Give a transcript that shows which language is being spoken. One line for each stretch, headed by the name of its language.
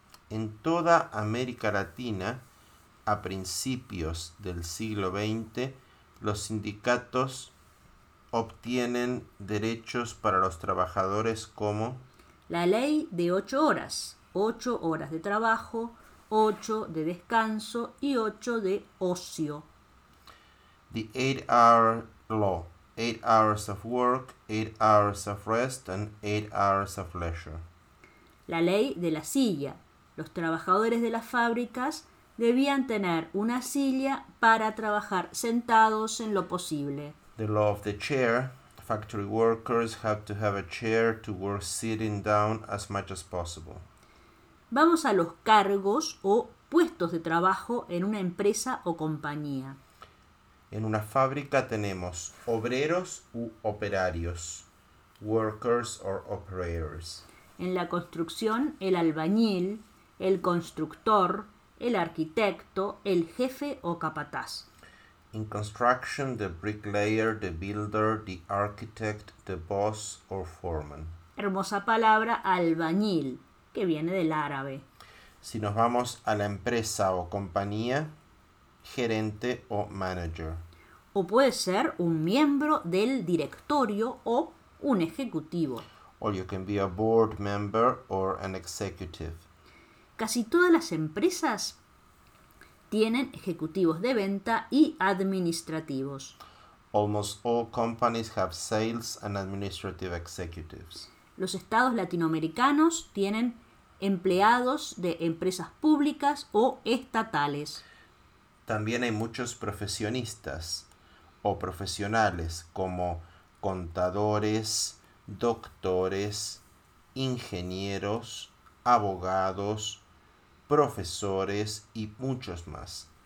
Spanish: En toda América Latina, a principios del siglo XX, los sindicatos obtienen derechos para los trabajadores como la ley de 8 horas, 8 horas de trabajo, 8 de descanso y 8 de ocio.
English: The 8-hour law, 8 hours of work, 8 hours of rest and 8 hours of leisure.
Spanish: La ley de la silla, los trabajadores de las fábricas debían tener una silla para trabajar sentados en lo posible.
English: The law of the chair, factory workers have to have a chair to work sitting down as much as possible.
Spanish: Vamos a los cargos o puestos de trabajo en una empresa o compañía. En una fábrica tenemos obreros u operarios,
English: workers or operators.
Spanish: En la construcción, el albañil, el constructor, el arquitecto, el jefe o capataz.
English: In construction, the bricklayer, the builder, the architect, the boss or foreman.
Spanish: Hermosa palabra, albañil, que viene del árabe. Si nos vamos a la empresa o compañía, gerente o manager. O puede ser un miembro del directorio o un ejecutivo.
English: Or you can be a board member or an executive.
Spanish: Casi todas las empresas tienen ejecutivos de venta y administrativos.
English: Almost all companies have sales and administrative executives.
Spanish: Los estados latinoamericanos tienen empleados de empresas públicas o estatales. También hay muchos profesionistas o profesionales como contadores, doctores, ingenieros, abogados, profesores y muchos más.